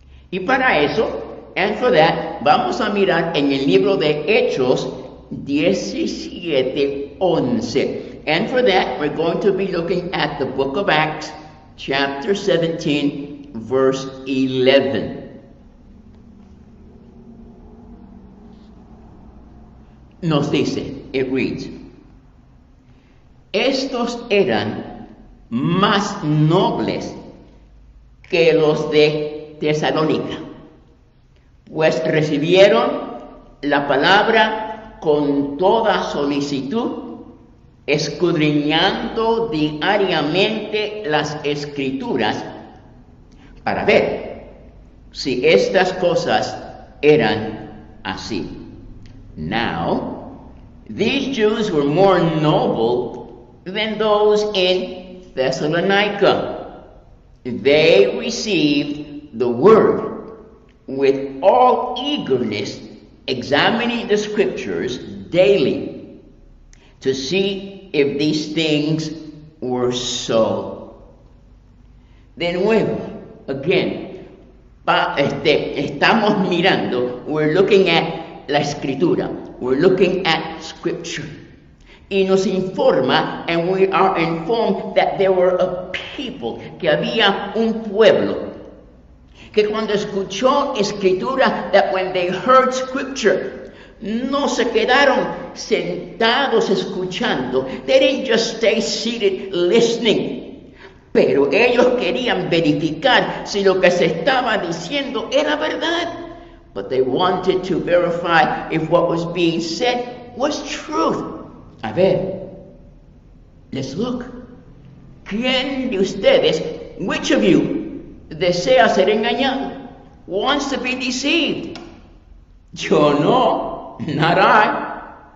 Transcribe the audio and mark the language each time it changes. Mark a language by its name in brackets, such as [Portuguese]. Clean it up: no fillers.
[Spanish] Y para eso, [English] and for that, [Spanish] vamos a mirar en el libro de Hechos 17:11. [English] And for that, we're going to be looking at the book of Acts, chapter 17, verse 11. [Spanish] Nos dice, [English] it reads, [Spanish] estos eran más nobles que los de Tesalónica, pues recibieron la palabra con toda solicitud, escudriñando diariamente las escrituras para ver si estas cosas eran así. [English] Now, these Jews were more noble than those in Thessalonica. They received the word with all eagerness, examining the scriptures daily to see if these things were so. [Spanish] De nuevo, [English] again, [Spanish] estamos mirando, [English] we're looking at [Spanish] la escritura. [English] We're looking at scripture. [Spanish] Y nos informa, [English] and we are informed that there were a people, [Spanish] que había un pueblo, que cuando escuchó escritura, [English] that when they heard scripture, [Spanish] no se quedaron sentados escuchando. [English] They didn't just stay seated listening. [Spanish] Pero ellos querían verificar si lo que se estaba diciendo era verdad. [English] But they wanted to verify if what was being said was truth. [Spanish] A ver, [English] let's look. [Spanish] ¿Quién de ustedes, [English] which of you, [Spanish] desea ser engañado? [English] Wants to be deceived? [Spanish] Yo no, [English] not I.